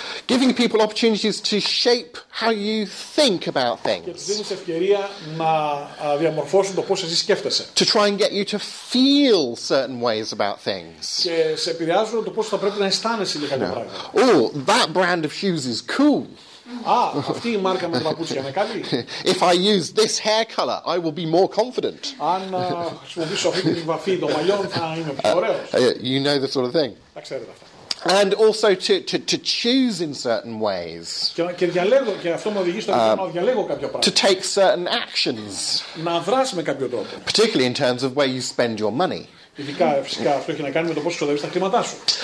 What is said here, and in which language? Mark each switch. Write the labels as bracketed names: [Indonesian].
[English] giving people opportunities to shape how you think about things. [Greek] Και τους δίνεις ευκαιρία να διαμορφώσουν το πώς εσύ σκέφτεσαι. [English] To try and get you to feel certain ways about things. [Greek] Και σε επηρεάζουν το πώς θα πρέπει να αισθάνεσαι για κάποια πράγματα. [English] Oh, that brand of shoes is cool. [Greek] αυτή η μάρκα με τα παπούτσια είναι καλή. [English] If I use this hair color, I will be more confident. [Greek] Αν χρησιμοποιήσω αυτή τη βαφή των μαλλιών, θα είμαι πιο ωραίος. [English] You know the sort of thing. [Greek] Τα ξέρετε αυτά. [English] And also to choose in certain ways. [Greek] Και διαλέγω, και αυτό με οδηγεί στο να διαλέγω κάποια πράγματα. [English] To take certain actions. [Greek] Να δράσει με κάποιο τρόπο. [English] Particularly in terms of where you spend your money. [Greek] Ειδικά, φυσικά, αυτό έχει να κάνει με το πώς εξοδεύεις τα χρήματά σου.